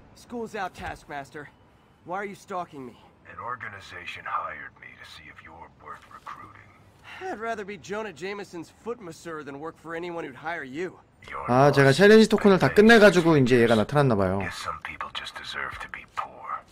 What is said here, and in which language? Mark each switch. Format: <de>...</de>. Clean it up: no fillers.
<en>School's out, Taskmaster. Why are you stalking me? An organization hired me to see if you're worth recruiting. I'd rather be Jonah Jameson's foot masseur than work for anyone who'd hire you.</en> <ko>아, 제가 챌린지 토큰을 다 끝내 가지고 이제 얘가 나타났나 봐요.</ko> <en>Some people just deserve to be poor.</en>